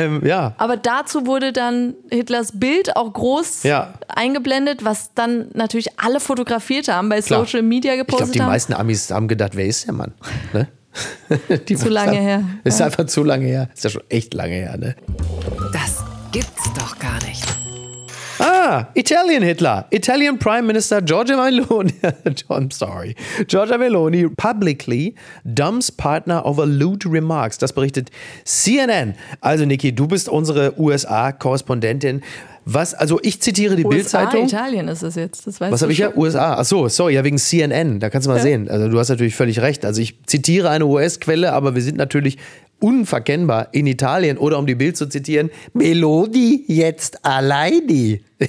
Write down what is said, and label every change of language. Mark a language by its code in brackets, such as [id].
[de] Aber dazu wurde dann Hitlers Bild auch groß eingeblendet, was dann natürlich alle fotografiert haben, bei Social Media gepostet haben. Ich glaube, die meisten Amis haben gedacht, wer ist der Mann? Ne? zu lange her. Ist einfach zu lange her. Ist ja schon echt lange her, ne? Das gibt's doch gar nicht. [en] Ah, Italian Hitler, Italian Prime Minister Giorgia Meloni, I'm sorry, Giorgia Meloni publicly dumps partner over lewd remarks. [de] Das berichtet CNN. Also Niki, du bist unsere USA-Korrespondentin. Was, also ich zitiere die Bild-Zeitung. USA, Italien ist es jetzt, das weiß was habe ich ja? USA, achso, sorry, ja wegen CNN, da kannst du mal sehen. Also du hast natürlich völlig recht. Also ich zitiere eine US-Quelle, aber wir sind natürlich unverkennbar in Italien. Oder um die Bild zu zitieren, Meloni jetzt alleini.